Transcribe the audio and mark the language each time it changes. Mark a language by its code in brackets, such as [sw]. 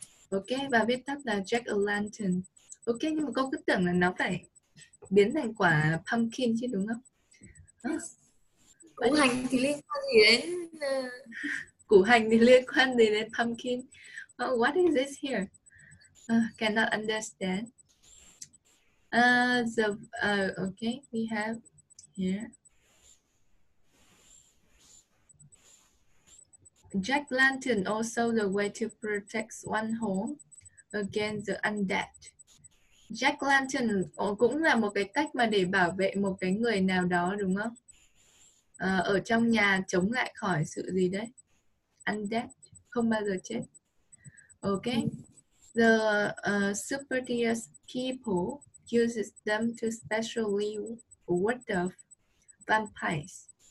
[vi] Ok, và viết tắt là Jack of Lantern. Ok, nhưng mà cô cứ tưởng là nó phải biến thành quả pumpkin chứ đúng không? Củ hành thì liên quan gì đến củ hành thì liên quan gì đến pumpkin? [en] Well, what is this here? Cannot understand. Okay, we have here Jack Lantern, also the way to protect one home against the undead. [vi] Jack Lantern cũng là một cái cách mà để bảo vệ một cái người nào đó đúng không? Ở trong nhà chống lại khỏi sự gì đấy, undead, không bao giờ chết. [en] Okay, the superstitious people uses them to specially ward off vampires.